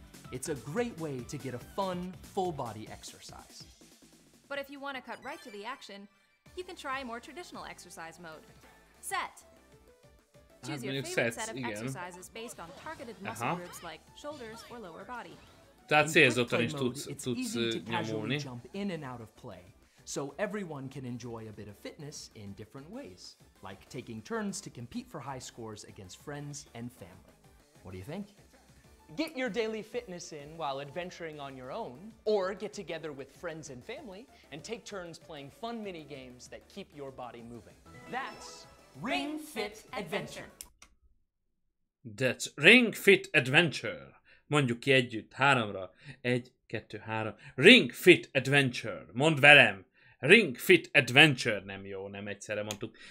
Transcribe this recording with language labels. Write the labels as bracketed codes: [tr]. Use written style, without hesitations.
[en] It's a great way to get a fun, full body exercise. But if you want to cut right to the action, you can try a more traditional exercise mode. Set. Choose your favorite set of exercises based on targeted muscle groups like shoulders or lower body. [hu] Tehát célzottan is tudsz nyomulni. [en] Jump in and out of play. So everyone can enjoy a bit of fitness in different ways, like taking turns to compete for high scores against friends and family. What do you think? Get your daily fitness in while adventuring on your own, or get together with friends and family and take turns playing fun mini games that keep your body moving. That's Ring Fit Adventure. That's Ring Fit Adventure. [hu] Mondjuk ki együtt, háromra. Egy, kettő, három. Ring Fit Adventure. Mondd velem. Ring Fit Adventure, nem jó, nem egyszerre mondtuk.